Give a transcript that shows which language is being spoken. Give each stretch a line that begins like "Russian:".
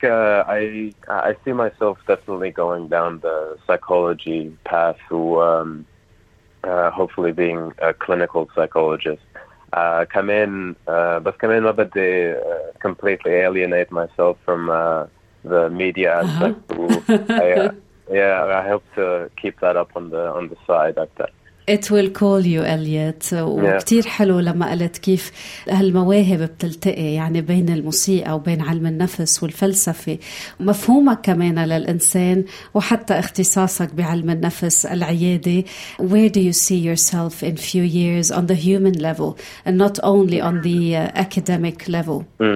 English: I see myself definitely going down the psychology path to hopefully being a clinical psychologist.
Arabic: كمان ما بدي
English: completely alienate myself from the media aspect. I hope to keep that up on the side at that. It will call you, Elliot.
Arabic: وكتير حلو لما قلت كيف هالمواهب بتلتقي يعني بين الموسيقى وبين علم النفس والفلسفة ومفهومك كمان للإنسان وحتى اختصاصك بعلم النفس العيادة.
English: Where do you see yourself in few years on the human level and not only on the academic level?